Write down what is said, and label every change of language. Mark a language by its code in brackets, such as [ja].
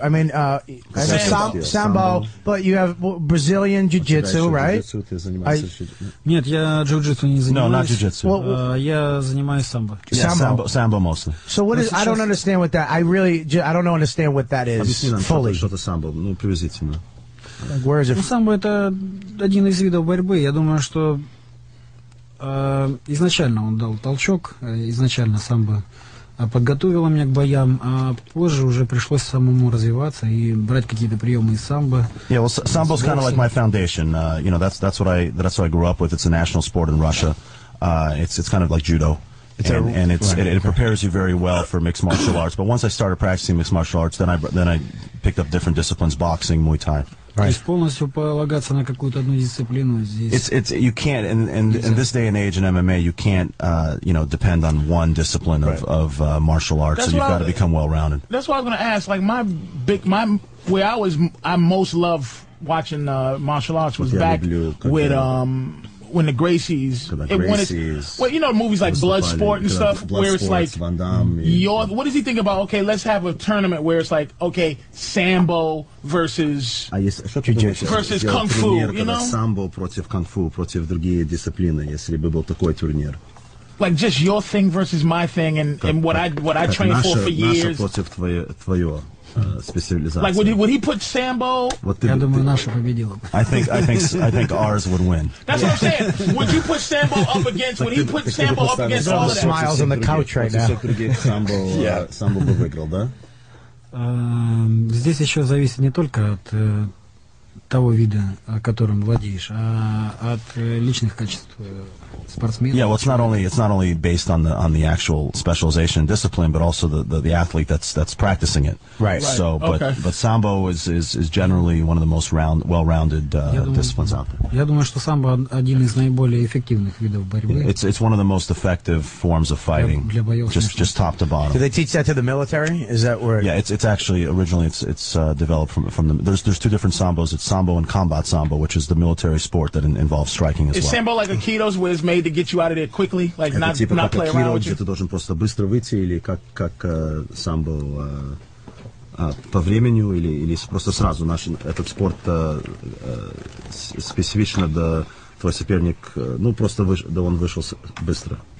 [en] I mean, Sambo, but you have Brazilian Jiu-Jitsu, right? [ru] Нет, я Джиу-Джитсу не занимаюсь. [en] No, not Jiu-Jitsu. Sambo mostly. So what is? I don't understand what that. I don't understand what that is. Fully. [ru] Что-то самбо, приблизительно. [en] Where is it? [ru] Самбо это один из видов борьбы. Я думаю, что изначально он дал толчок. Изначально самбо подготовило меня к боям, а позже уже пришлось самому развиваться и брать какие-то приемы из самбо. [en] Yeah, well, samba is kind of like my foundation. You know, that's what I grew up with. It's a national sport in Russia. It's kind of like judo, it prepares you very well for mixed martial arts. But once I started practicing mixed martial arts, then I picked up different disciplines, boxing, Muay Thai. Right. [ru] Полностью полагаться на какую-то одну дисциплину здесь. [en] It's you can't in this day and age in MMA you can't depend on one discipline of martial arts. That's so you've got to become well rounded. That's what I was gonna ask. Like I most love watching martial arts was back with when the Gracies, you know, movies like Bloodsport and stuff, where it's like, what does he think about, okay, let's have a tournament where it's like, okay, Sambo versus Kung Fu, you know? [ru] Sambo против Kung Fu, против другие дисциплины, если бы был такой турнир. [en] Like just your thing versus my thing and what I trained for years. [ru] Наша против твоего. [en] Like would he put Sambo? I think ours would win. That's what I'm saying. Would you put Sambo up against? Would he put Sambo up against all of them? Smiles on the couch right now. [ru] Sambo бы выиграл, да? Здесь еще зависит не только от того вида, которым владеешь, а от личных качеств. [en] Yeah, well, it's not only based on the actual specialization and discipline, but also the athlete that's practicing it. Right. So, but Sambo is generally one of the most well-rounded disciplines out there. [ru] Я думаю, что самбо один из наиболее эффективных видов борьбы. [en] It's one of the most effective forms of fighting. [ru] Для боев. [en] Just top to bottom. Do they teach that to the military? Is that where? Yeah, it's actually originally developed from the there's two different sambos. It's Sambo and Combat Sambo, which is the military sport that involves striking as well. Is Sambo like Aikido's where it's made to get you out of there quickly, like not play around with you? [ru] Ты должен просто быстро выйти или как самбо по времени или просто сразу наш этот спорт специфично да твой соперник просто да он вышел быстро.